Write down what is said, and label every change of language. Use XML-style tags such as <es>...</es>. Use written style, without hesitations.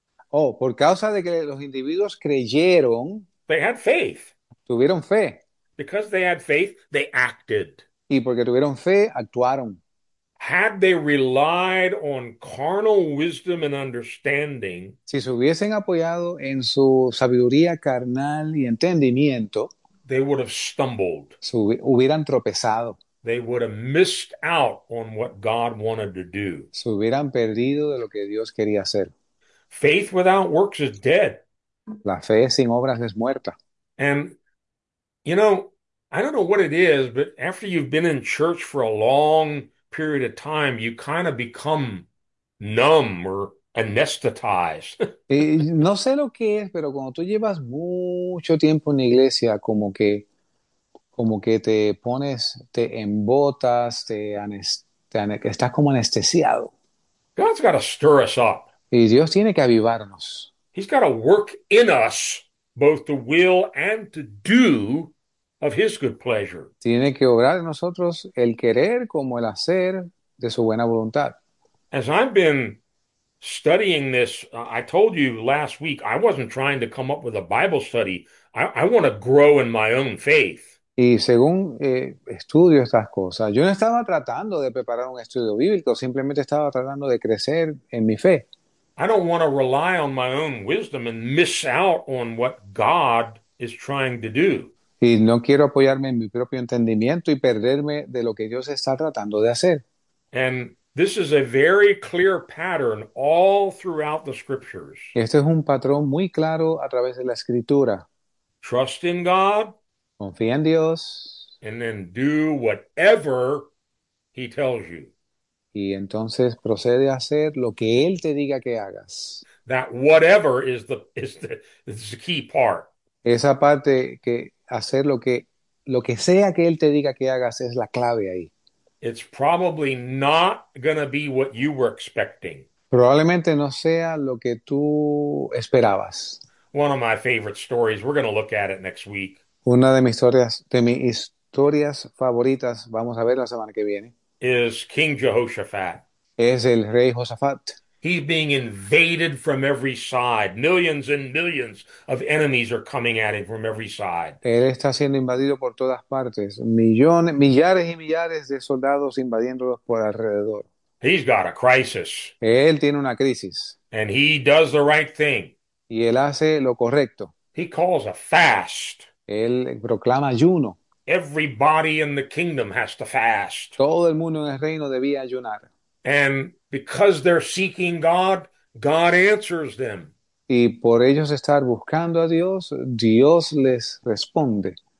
<es>oh, por causa de que los individuos creyeron,</es> <en>They had faith.</en> <es>tuvieron fe.</es> <en>Because they had faith, they acted.</en> <es>Y porque tuvieron fe, actuaron.</es> <en>Had they relied on carnal wisdom and understanding,</en> <es>Si se hubiesen apoyado en su sabiduría carnal y entendimiento,</es> <en>they would have stumbled.</en> <es>hubieran tropezado.</es> <en>They would have missed out on what God wanted to do.</en> <es>Se hubieran perdido de lo que Dios quería hacer.</es> <en>Faith without works is dead.</en> <es>La fe sin obras es muerta.</es> <en>And, you know, I don't know what it is, but after you've been in church for a long period of time, you kind of become numb or anesthetized.</en> <es>No sé lo que es, pero cuando tú llevas mucho tiempo en la iglesia, como que te pones, te embotas, estás como anestesiado.</es> <en>God's got to stir us up.</en> <es>Y Dios tiene que avivarnos.</es> <en>He's got to work in us both the will and to do of his good pleasure.</en> <es>Tiene que obrar en nosotros el querer como el hacer de su buena voluntad.</es> <en>As I've been studying this, I told you last week, I wasn't trying to come up with a Bible study. I want to grow in my own faith.</en> <es>Y según estudio estas cosas, yo no estaba tratando de preparar un estudio bíblico, simplemente estaba tratando de crecer en mi fe.</es> <en>I don't want to rely on my own wisdom and miss out on what God is trying to do.</en> <es>Y no quiero apoyarme en mi propio entendimiento y perderme de lo que Dios está tratando de hacer.</es> <en>And this is a very clear pattern all throughout the scriptures.</en> <es>Este es un patrón muy claro a través de la escritura.</es> <en>Trust in God</en> <es>Confía en Dios</es> <en>and then do whatever he tells you.</en> <es>y entonces procede a hacer lo que Él te diga que hagas.</es> <en>That whatever is the key part.</en> <es>Esa parte que hacer lo que sea que Él te diga que hagas es la clave ahí.</es> <en>It's probably not going to be what you were expecting.</en> <es>Probablemente no sea lo que tú esperabas.</es> <en>One of my favorite stories. We're going to look at it next week.</en> <es>Una de mis historias favoritas, vamos a ver la semana que viene,</es> <en>Is King Jehoshaphat.</en> <es>es el rey Josafat.</es> <en>He's being invaded from every side. Millions and millions of enemies are coming at him from every side.</en> <es>Él está siendo invadido por todas partes, millones, millares y millares de soldados invadiéndolos por alrededor.</es> <en>He's got a crisis.</en> <es>Él tiene una crisis</es> <en>And he does the right thing.</en> <es>y él hace lo correcto.</es> <en>He calls a fast.</en> <es>Él proclama ayuno.</es> <en>Everybody in the kingdom has to fast.</en> <es>Todo el mundo en el reino debía ayunar.</es> <en>And because they're seeking God, God answers them.</en> <es>Y por ellos estar buscando a Dios, Dios les responde.</es>